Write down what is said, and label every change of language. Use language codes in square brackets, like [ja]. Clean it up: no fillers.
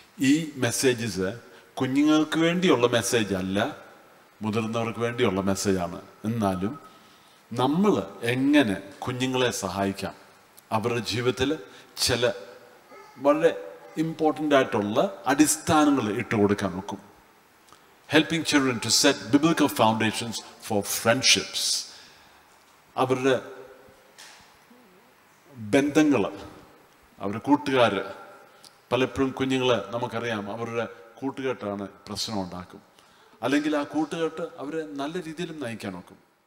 [ml] ഈ മെസ്സേജസ് കുഞ്ഞുങ്ങൾക്ക് വേണ്ടിയുള്ള മെസ്സേജ് അല്ല, മുതിർന്നവർക്ക് വേണ്ടിയുള്ള മെസ്സേജാണ്. എന്നാലും നമ്മൾ എങ്ങനെ കുഞ്ഞുങ്ങളെ സഹായിക്കാം അവരുടെ ജീവിതത്തിൽ ചില വളരെ ഇമ്പോർട്ടൻ്റ് ആയിട്ടുള്ള അടിസ്ഥാനങ്ങൾ ഇട്ട് കൊടുക്കാൻ നോക്കും. [en] Helping children to set biblical foundations for friendships. [ml] അവരുടെ ബന്ധങ്ങൾ, അവരുടെ കൂട്ടുകാർ, പലപ്പോഴും കുഞ്ഞുങ്ങൾ നമുക്കറിയാം അവരുടെ കൂട്ടുകെട്ടാണ് പ്രശ്നം ഉണ്ടാക്കും, അല്ലെങ്കിൽ ആ കൂട്ടുകെട്ട് അവരെ നല്ല രീതിയിൽ നയിക്കാൻ നോക്കും.